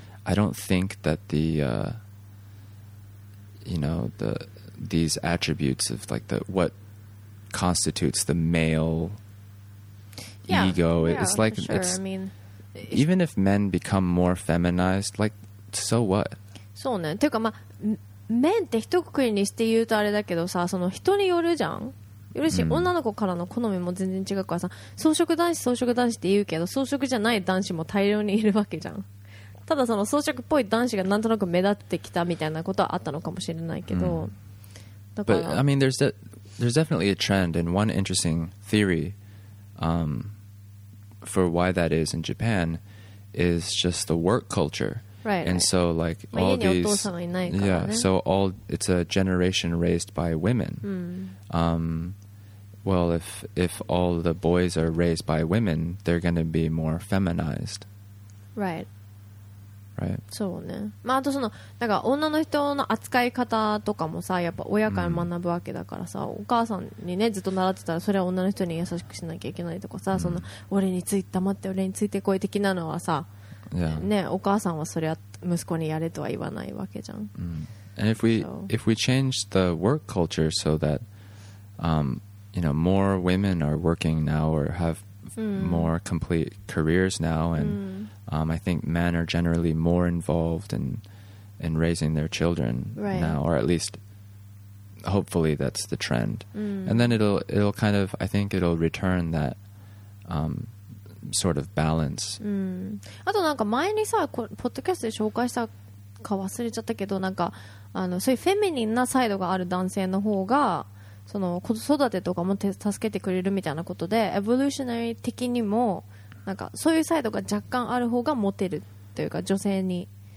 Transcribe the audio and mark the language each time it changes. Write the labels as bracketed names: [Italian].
[English] I don't think that the you know, the these attributes of like the what constitutes the male ego, it's like, sure. It's, I mean, even if men become more feminized, like, so what? [Japanese] そうね。ていうか、まあ、面って一括りにして言うとあれだけどさ、その人によるじゃん。よるし、うん、女の子からの好みも全然違うからさ、草食男子草食男子って言うけど、草食じゃない男子も大量にいるわけじゃん。ただその草食っぽい男子がなんとなく目立ってきたみたいなことはあったのかもしれないけど、うん、だから [English] But I mean there's definitely a trend, and one interesting theory for why that is in Japan is just the work culture. Right. And so like all these, yeah, so all it's a generation raised by women. Well, if all the boys are raised by women, they're going to be more feminized. Right. Right. [Japanese] そうね、まあ、あとそのなんか女の人の扱い方とかもさ、やっぱ親から学ぶわけだからさ、mm. お母さんにねずっと習ってたらそれは女の人に優しくしなきゃいけないとかさ、mm. その俺について黙って俺についてこい的なのはさ、 [English] yeah. [Japanese] ね、お母さんはそれは息子にやれとは言わないわけじゃん、 mm. [English] And if we change the work culture so that you know, more women are working now or have more complete careers now andI think men are generally more involved in raising their children、 right. now, or at least hopefully that's the trend.、 Mm. And then it'll kind of, I think it'll return that、sort of balance.、 [Japanese] Mm. あとなんか前にさ、ポッドキャストで紹介したか忘れちゃったけど、なんかあのそういうフェミニンなサイドがある男性の方が、その子育てとかも助けてくれるみたいなことで、エボリューショナリー的にも、なんかそういうサイドが若干ある方がモテるというか、女性に